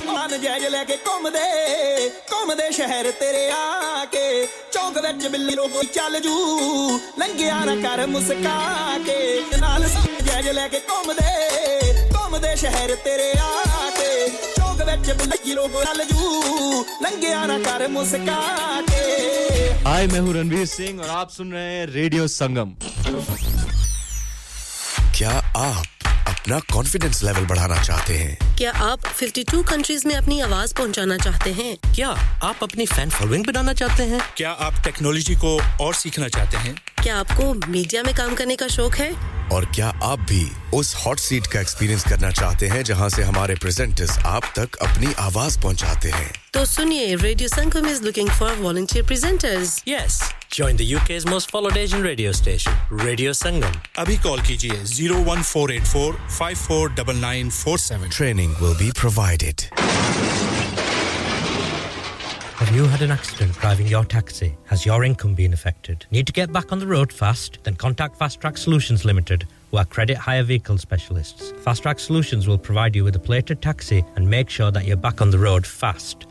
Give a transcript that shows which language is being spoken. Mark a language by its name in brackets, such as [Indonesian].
[Punjabi] ਨਜਾਇਜ਼ ਲੈ ਕੇ ਘੁੰਮਦੇ ਸ਼ਹਿਰ ਤੇਰੇ ਆ ਕੇ ਚੌਂਕ ਵਿੱਚ ਬਿੱਲੋ ਕੋਈ ਚੱਲ ਜੂ ਲੰਘਿਆ ਨਾ ਕਰ ਮੁਸਕਾ ਕੇ ਨਾਲ ਨਜਾਇਜ਼ ਲੈ ਕੇ ਘੁੰਮਦੇ ਸ਼ਹਿਰ ਤੇਰੇ ਆ ਕੇ ਚੌਂਕ ਵਿੱਚ ਬਿੱਲੋ ਕੋਈ ਚੱਲ ਜੂ ਲੰਘਿਆ ਨਾ ਕਰ ਮੁਸਕਾ ਕੇ [Hindi] हाय मैं हूं रणवीर सिंह और आप सुन रहे हैं रेडियो संगम क्या आप अपना कॉन्फिडेंस लेवल बढ़ाना चाहते हैं क्या आप 52 कंट्रीज में अपनी आवाज पहुंचाना चाहते हैं क्या आप अपनी फैन फॉलोइंग बनाना चाहते हैं क्या आप टेक्नोलॉजी को और सीखना चाहते हैं क्या आपको मीडिया में काम करने का शौक है और क्या आप भी उस हॉट सीट का एक्सपीरियंस करना चाहते हैं जहां से हमारे प्रेजेंटर्स आप तक अपनी आवाज पहुंचाते हैं तो सुनिए [English] radio Sangam is looking for volunteer presenters yes join the UK's most followed Asian radio station radio Sangam [Hindi] अभी कॉल कीजिए 01484549947 [English] Training will be provided Have you had an accident driving your taxi? Has your income been affected? Need to get back on the road fast? Then contact Fast Track Solutions Limited. who are credit hire vehicle specialists. Fast Track Solutions will provide you with a plated taxi and make sure that you're back on the road fast.